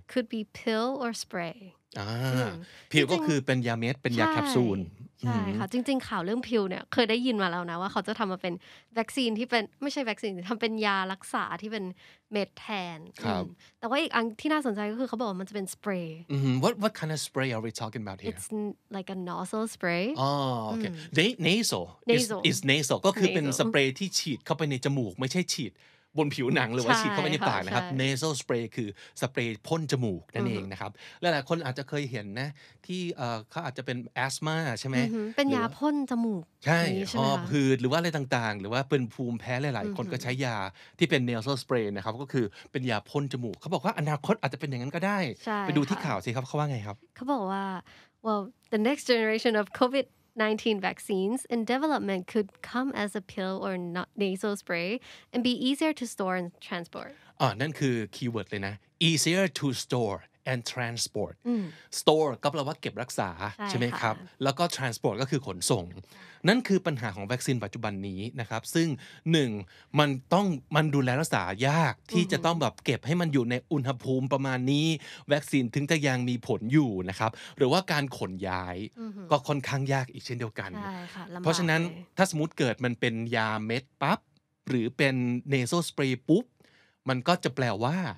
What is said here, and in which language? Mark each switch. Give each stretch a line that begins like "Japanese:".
English: could be pill or spray
Thai: พิลก็คือเป็นยาเม็ดเป็นยาแคปซูล ใช่ค่ะจริงๆข่าวเรื่องพิลเนี่ยเคยได้ยินมาแล้วนะว่าเขาจะทำมาเป็นวัคซีนที่เป็นไม่ใช่วัคซีนทำเป็นยารักษาที่เป็นเม็ดแทน ครับ แต่ว่าอีกอันที่น่าสนใจก็คือเขาบอกว่ามันจะเป็นสเปรย์
English: What kind of spray are we talking about here It's like a nasal spray
Thai: อ๋อโอเค
English: nasal is nasal
Thai: ก็คือเป็นสเปรย์ที่ฉีดเข้าไปในจมูกไม่ใช่ฉีด บนผิวหนังหรือว่าฉีดเข้าไปในปากนะครับ nasal spray คือสเปรย์พ่นจมูกนั่นเองนะครับหลายๆคนอาจจะเคยเห็นนะที่เขาอาจจะเป็นแอสมาใช่ไหม เป็นยาพ่นจมูก ใช่หอบหืดหรือว่าอะไรต่างๆหรือว่าเป็นภูมิแพ้หลายๆคนก็ใช้ยาที่เป็น nasal spray นะครับก็คือเป็นยาพ่นจมูกเขาบอกว่าอนาคตอาจจะเป็นอย่างนั้นก็ได้ไปดูที่ข่าวสิครับเขาว่าไงครับ เขาบอกว่า
English: well the next generation of COVID-19 vaccines in development could come as a pill or nasal spray and be easier to store and transport.
Thai: นั่นคือคีย์เวิร์ดเลยนะ
English: easier to store and transport.
Thai: store ก็แปลว่าเก็บรักษาใช่ไหมครับแล้วก็ transport ก็คือขนส่งนั่นคือปัญหาของวัคซีนปัจจุบันนี้นะครับซึ่ง1มันต้องมันดูแลรักษายากที่จะต้องแบบเก็บให้มันอยู่ในอุณหภูมิประมาณนี้วัคซีนถึงจะยังมีผลอยู่นะครับหรือว่าการขนย้ายก็ค่อนข้างยากอีกเช่นเดียวกันเพราะฉะนั้นถ้าสมมุติเกิดมันเป็นยาเม็ดปั๊บหรือเป็น nasal spray ปุ๊บมันก็จะแปลว่า